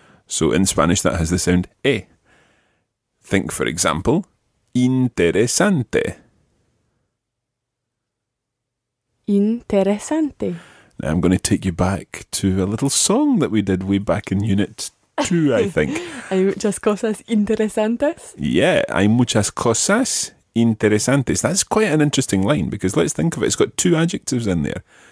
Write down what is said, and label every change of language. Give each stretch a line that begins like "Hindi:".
English: So in Spanish, that has the sound E. Think, for example, interesante.
Spanish: Interesante.
English: Now I'm going to take you back to a little song that we did way back in Unit 2, I think.
Spanish: Hay muchas cosas interesantes.
English: Yeah,
Spanish: hay muchas cosas interesantes.
English: That's quite an interesting line because let's think of it. It's got two adjectives in there.